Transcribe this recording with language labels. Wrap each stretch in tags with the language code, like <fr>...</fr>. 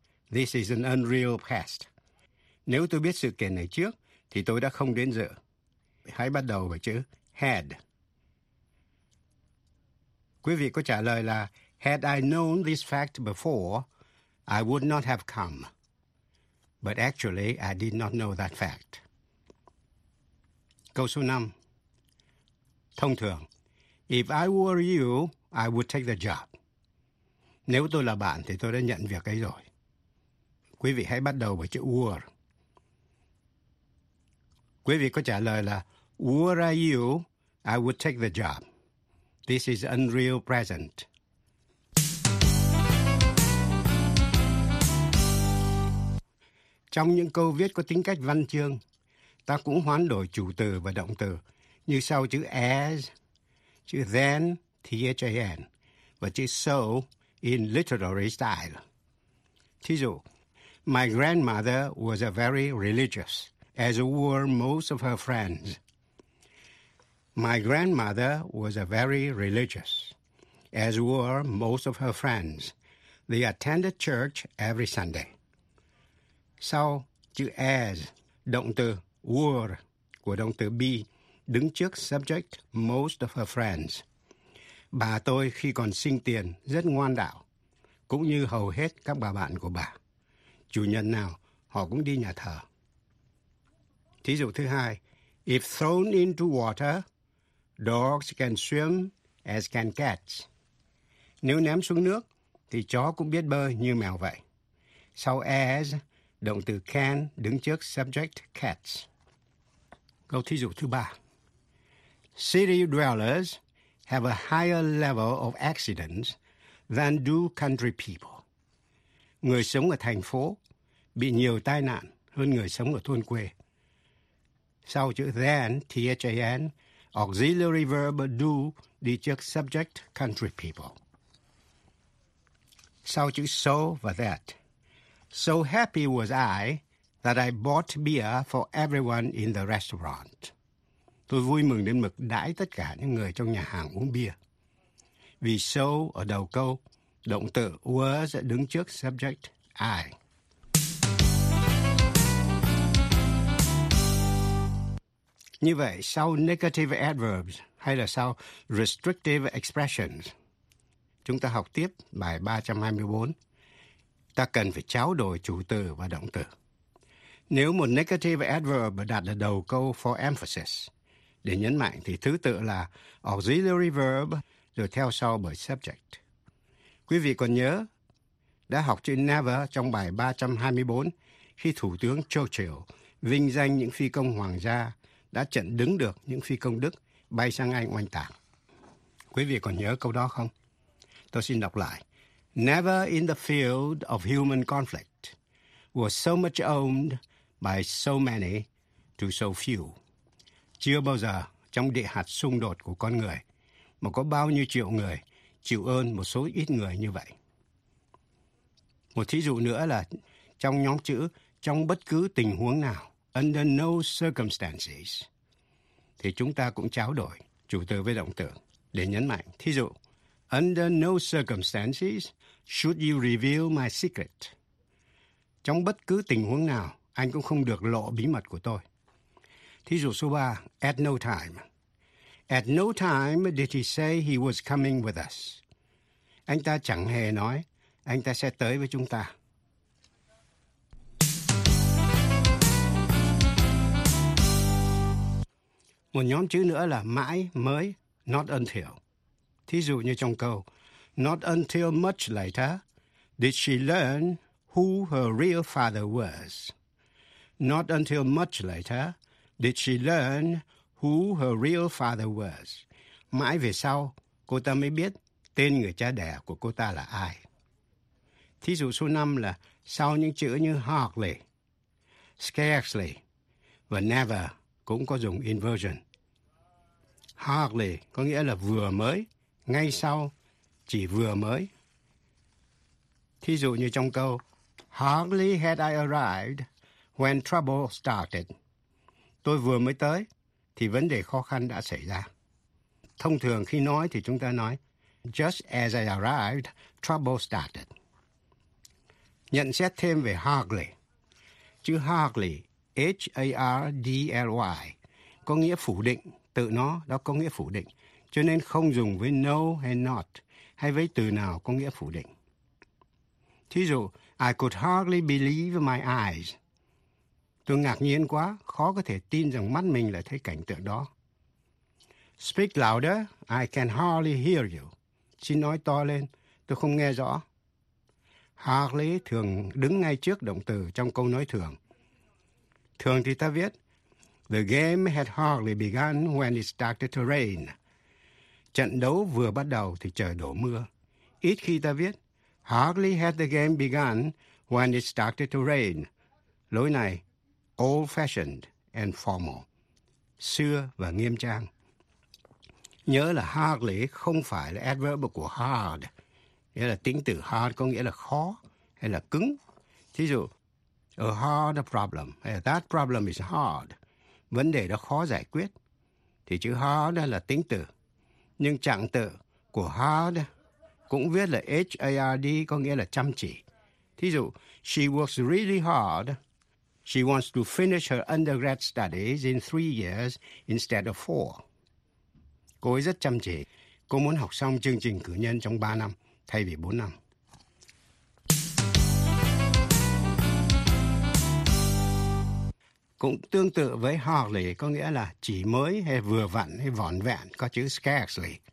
<en>This is an unreal past.</en> <vi>Nếu tôi biết sự kiện này trước, thì tôi đã không đến dự. Hãy bắt đầu với chữ had. Quý vị có trả lời là</vi> <en>had I known this fact before, I would not have come. But actually, I did not know that fact.</en> <vi>Câu số 5. Thông thường.</vi> <en>If I were you, I would take the job.</en> <vi>Nếu tôi là bạn thì tôi đã nhận việc ấy rồi. Quý vị hãy bắt đầu với chữ were. Quý vị có trả lời là</vi> <en>were I you, I would take the job. This is unreal present.</en> <vi>Trong những câu viết có tính cách văn chương, ta cũng hoán đổi chủ từ và động từ như sau chữ as, chữ then, than, và chữ so</vi> <en>in literary style.</en> <vi>Thí dụ,</vi> <en>my grandmother was a very religious, as were most of her friends. My grandmother was a very religious, as were most of her friends. They attended church every Sunday.</en> <vi>Sau chữ as, động từ were của động từ be đứng trước</vi> <en>subject most of her friends.</en> <vi>Bà tôi khi còn sinh tiền rất ngoan đạo, cũng như hầu hết các bà bạn của bà. Chủ nhật nào, họ cũng đi nhà thờ. Thí dụ thứ hai,</vi> <en>if thrown into water, dogs can swim as can cats.</en> <vi>Nếu ném xuống nước, thì chó cũng biết bơi như mèo vậy. Sau as, động từ can đứng trước subject cats. Câu thí dụ thứ ba.</vi> <en>City dwellers have a higher level of accidents than do country people.</en> <vi>Người sống ở thành phố bị nhiều tai nạn hơn người sống ở thôn quê. Sau chữ than, than,</vi> <en>auxiliary verb do</en> <vi>đi trước</vi> <en>subject country people.</en> <vi>Sau chữ so và that.</vi> <en>So happy was I that I bought beer for everyone in the restaurant.</en> <vi>Tôi vui mừng đến mức đãi tất cả những người trong nhà hàng uống bia. Vì so ở đầu câu, động từ was đứng trước subject I. Như vậy, sau negative adverbs hay là sau restrictive expressions, chúng ta học tiếp bài 324. ta cần phải tráo đổi chủ từ và động từ. Nếu một negative adverb đặt ở đầu câu</vi> <en>for emphasis</en> <vi>để nhấn mạnh thì thứ tự là auxiliary verb rồi theo sau bởi subject. Quý vị còn nhớ đã học chữ never trong bài 324 khi Thủ tướng Churchill vinh danh những phi công hoàng gia đã chặn đứng được những phi công Đức bay sang Anh oanh tạc. Quý vị còn nhớ câu đó không? Tôi xin đọc lại.</vi> <en>Never in the field of human conflict was so much owned by so many to so few.</en> <vi>Chưa bao giờ trong địa hạt xung đột của con người mà có bao nhiêu triệu người chịu ơn một số ít người như vậy. Một thí dụ nữa là trong nhóm chữ trong bất cứ tình huống nào,</vi> <en>under no circumstances,</en> <vi>thì chúng ta cũng tráo đổi chủ từ với động từ để nhấn mạnh. Thí dụ,</vi> <en>under no circumstances should you reveal my secret.</en> <vi>Trong bất cứ tình huống nào, anh cũng không được lộ bí mật của tôi. Thí dụ số 3,</vi> <en>at no time. At no time did he say he was coming with us.</en> <vi>Anh ta chẳng hề nói anh ta sẽ tới với chúng ta. Một nhóm chữ nữa là mãi, mới,</vi> <en>not until.</en> <vi>Thí dụ như trong câu,</vi> <en>not until much later did she learn who her real father was. Not until much later did she learn who her real father was.</en> <vi>Mãi về sau, cô ta mới biết tên người cha đẻ của cô ta là ai. Thí dụ số 5 là sau những chữ như hardly, scarcely và never cũng có dùng inversion. Hardly có nghĩa là vừa mới, ngay sau, chỉ vừa mới. Thí dụ như trong câu,</vi> <en>hardly had I arrived when trouble started.</en> <vi>Tôi vừa mới tới, thì vấn đề khó khăn đã xảy ra. Thông thường khi nói thì chúng ta nói,</vi> <en>just as I arrived, trouble started.</en> <vi>Nhận xét thêm về hardly. Chữ hardly, H-A-R-D-L-Y, có nghĩa phủ định. Tự nó đó có nghĩa phủ định, cho nên không dùng với no hay not, hay với từ nào có nghĩa phủ định. Thí dụ,</vi> <en>I could hardly believe my eyes.</en> <vi>Tôi ngạc nhiên quá, khó có thể tin rằng mắt mình lại thấy cảnh tượng đó.</vi> <en>Speak louder, I can hardly hear you.</en> <vi>Xin nói to lên, tôi không nghe rõ. Hardly thường đứng ngay trước động từ trong câu nói thường. Thường thì ta viết,</vi> <en>the game had hardly begun when it started to rain.</en> <vi>Trận đấu vừa bắt đầu thì trời đổ mưa. Ít khi ta viết,</vi> <en>hardly had the game begun when it started to rain.</en> <vi>Lối này,</vi> <en>old-fashioned and formal.</en> <vi>Xưa và nghiêm trang. Nhớ là hardly không phải là adverb của hard. Nghĩa là tính từ hard có nghĩa là khó hay là cứng. Thí dụ,</vi> <en>a hard problem, that problem is hard.</en> <vi>Vấn đề đó khó giải quyết. Thì chữ hard là tính từ. Nhưng trạng từ của hard cũng viết là H-A-R-D có nghĩa là chăm chỉ. Thí dụ,</vi> <en>she works really hard. She wants to finish her undergrad studies in 3 years instead of 4.</en> <vi>Cô ấy rất chăm chỉ. Cô muốn học xong chương trình cử nhân trong 3 năm thay vì 4 năm. Cũng tương tự với hardly có nghĩa là chỉ mới hay vừa vặn hay vỏn vẹn có chữ scarcely.</vi>